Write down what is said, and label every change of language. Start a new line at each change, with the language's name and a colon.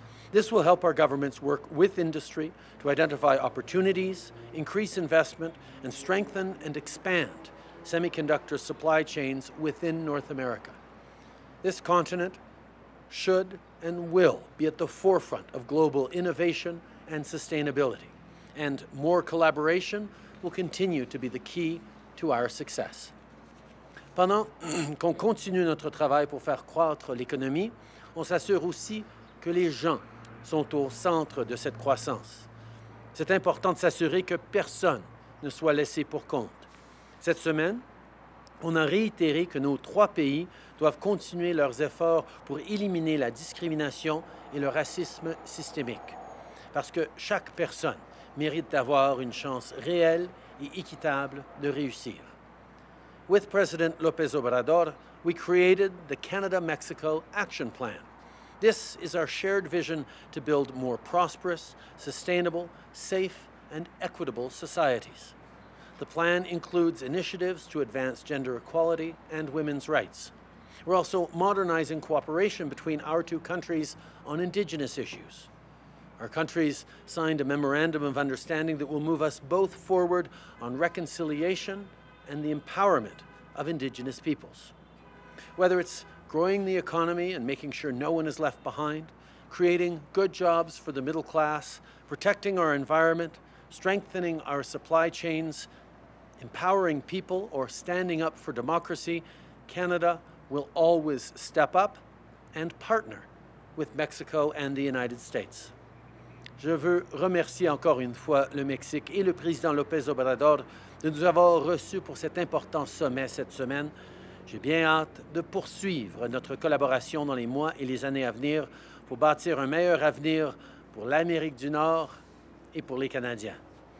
English: This will help our governments work with industry to identify opportunities, increase investment, and strengthen and expand semiconductor supply chains within North America. This continent should and will be at the forefront of global innovation and sustainability, and more collaboration will continue to be the key to our success.
French: Pendant qu'on continue notre travail pour faire croître l'économie, on s'assure aussi que les gens sont au centre de cette croissance. C'est important de s'assurer que personne ne soit laissé pour compte. Cette semaine, on a réitéré que nos trois pays doivent continuer leurs efforts pour éliminer la discrimination et le racisme systémique. Parce que chaque personne mérite d'avoir une chance réelle et équitable de réussir.
English: With President López Obrador, we created the Canada-Mexico Action Plan. This is our shared vision to build more prosperous, sustainable, safe, and equitable societies. The plan includes initiatives to advance gender equality and women's rights. We're also modernizing cooperation between our two countries on indigenous issues. Our countries signed a memorandum of understanding that will move us both forward on reconciliation and the empowerment of Indigenous peoples. Whether it's growing the economy and making sure no one is left behind, creating good jobs for the middle class, protecting our environment, strengthening our supply chains, empowering people, or standing up for democracy, Canada will always step up and partner with Mexico and the United States.
French: Je veux remercier encore une fois le Mexique et le président López Obrador de nous avoir reçus pour cet important sommet cette semaine. J'ai bien hâte de poursuivre notre collaboration dans les mois et les années à venir pour bâtir un meilleur avenir pour l'Amérique du Nord et pour les Canadiens.